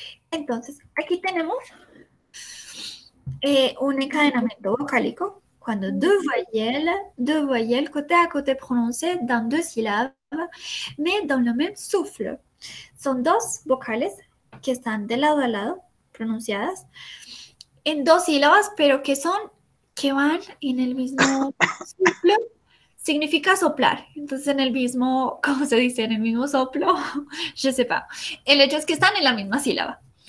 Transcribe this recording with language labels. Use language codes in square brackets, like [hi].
[es] Entonces, aquí tenemos un encadenamiento vocálico. [fr] Cuando deux voyelles, côté a côté prononcé, dans deux sílabas, mais dans le même souffle. [es] Son dos vocales que están de lado a lado, pronunciadas, en dos sílabas, pero que van en el mismo souffle. Significa soplar, entonces en el mismo, ¿cómo se dice? En el mismo soplo, [fr] je sais pas. [es] El hecho es que están en la misma sílaba.